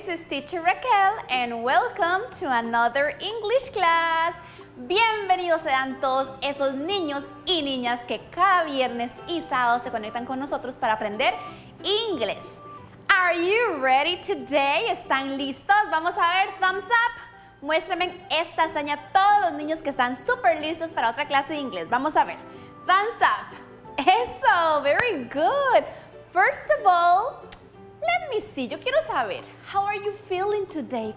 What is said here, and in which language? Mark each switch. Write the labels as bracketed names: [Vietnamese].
[English] Teacher Raquel, and welcome to another English class. [Spanish] Bienvenidos sean todos esos niños y niñas que cada viernes y sábado se conectan con nosotros para aprender inglés. [English] Are you ready today? [Spanish] ¿Están listos? Vamos a ver, [English] thumbs up. [Spanish] Muéstrame esta hazaña a todos los niños que están súper listos para otra clase de inglés. Vamos a ver, [English] thumbs up. [Spanish] Eso, [English] very good. First of all, let me see, [Spanish] yo quiero saber, [English] how are you feeling today?